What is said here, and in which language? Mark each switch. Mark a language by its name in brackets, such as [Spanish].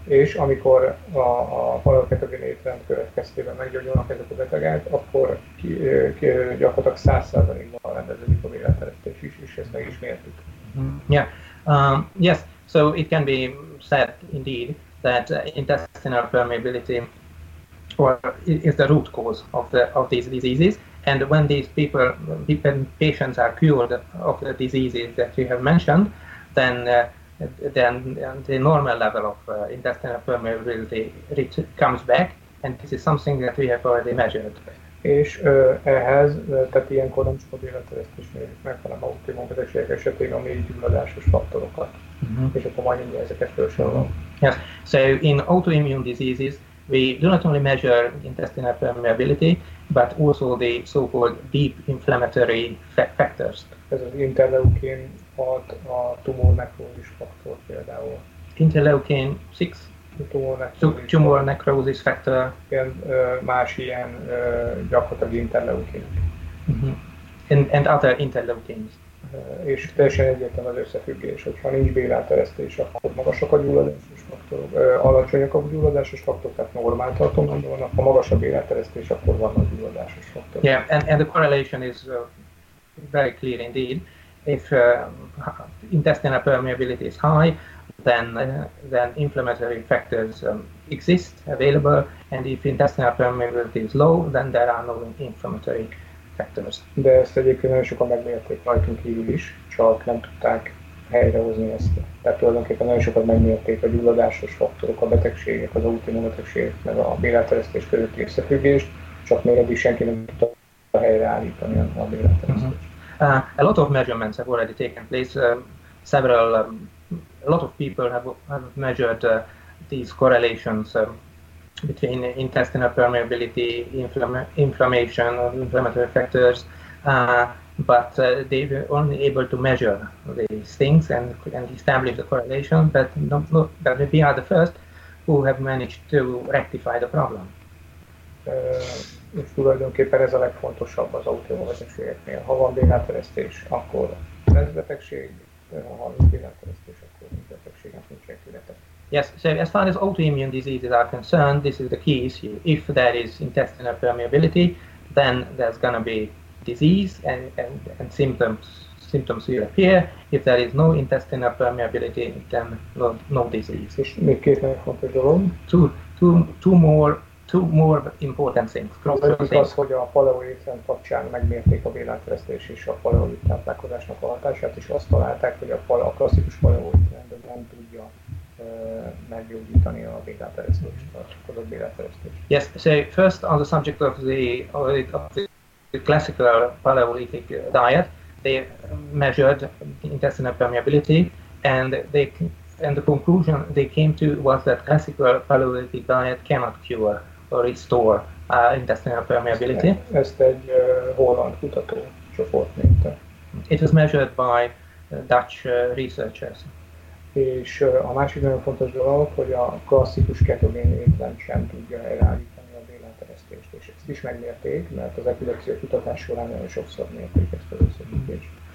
[Hungarian] És amikor a paleoketogén étrend következtében meggyógyulnak ezek a betegek, akkor gyakorlatilag 100%-ban rendeződik a bélátteresztés is, és ezt meg is mértük. Yeah. [English] Yes, so it can be said indeed that intestinal permeability is the root cause of these diseases. And when these people, patients are cured of the diseases that you have mentioned, then the normal level of intestinal permeability comes back, and this is something that we have already measured. [Hungarian] És ehhez, tehát ilyenkor nem csak a bélentereszt is mérjük meg, hanem a optimum betegségek esetén a mély gyulladásos faktorokat. Mm-hmm. És akkor majd mindig ezeket felsorolom. Yes. [English] So in autoimmune diseases, we do not only measure intestinal permeability, but also the so-called deep inflammatory factors. [Hungarian] Ez az interleukin 6, a tumor nekrózis faktor például. [English] Interleukin 6? Tumor necrosis factor. [Hungarian] Igen, más ilyen gyakorlatilag interleukin. [English] Mm-hmm. And other interleukins. [Hungarian] És teljesen egyértelmű az összefüggés, hogyha nincs béláteresztés, akkor magasak a gyulladásos faktorok, alacsonyak a gyulladásos faktorok, tehát normál tartományban vannak, ha magas a béláteresztés, akkor van a gyulladásos faktor. [English] Yeah, and the correlation is very clear indeed. If intestinal permeability is high, then inflammatory factors exist, available, and if intestinal permeability is low, then there are no inflammatory factors. [Hungarian] De ezt egyébként nagyon sokan megmérték rajtunk kívül is, csak nem tudták helyrehozni ezt. Tehát tulajdonképpen nagyon sokan megmérték a gyulladásos faktorok, a betegségek, az autoimmun betegségek, meg a béláteresztés közötti összefüggést, csak még eddig senki nem tudta helyreállítani a béláteresztést. [English] A lot of measurements have already taken place, a lot of people have measured these correlations between intestinal permeability, inflammation, inflammatory factors, but they were only able to measure these things and establish the correlation, but we are the first who have managed to rectify the problem. [Hungarian] És tulajdonképpen ez a legfontosabb az autoimmun betegségeknél. Ha van béláteresztés, akkor lesz betegség, ha nincs béláteresztés, akkor nincs betegség, nem nincs tünete. [English] Yes, so as far as autoimmune diseases are concerned, this is the key issue. If there is intestinal permeability, then there's going to be disease and symptoms will appear. If there is no intestinal permeability, then no disease. [Hungarian] És még két megfontos dolog. [English] Two more important things. [Hungarian] Az, hogy a paleo étrend kapcsán megmérték a béláteresztés és a paleo táplálkozásnak a hatását, és azt találták, hogy a klasszikus paleo étrend nem tudja meggyógyítani a béláteresztést, a fokozott béláteresztést. [English] Yes, so first on the subject of the classical paleolithic diet, they measured intestinal permeability, and the conclusion they came to was that classical paleolithic diet cannot cure or restore intestinal permeability. [Hungarian] Ezt egy holland kutató csoport mérte. [English] It was measured by Dutch researchers. [Hungarian] És a másik nagyon fontos dolog, hogy a klasszikus ketogén étrend sem tudja elállítani a béláteresztést, és ezt is megmérték, mert az epilepszia kutatás során nagyon sokszor mérték ezt az összefüggést.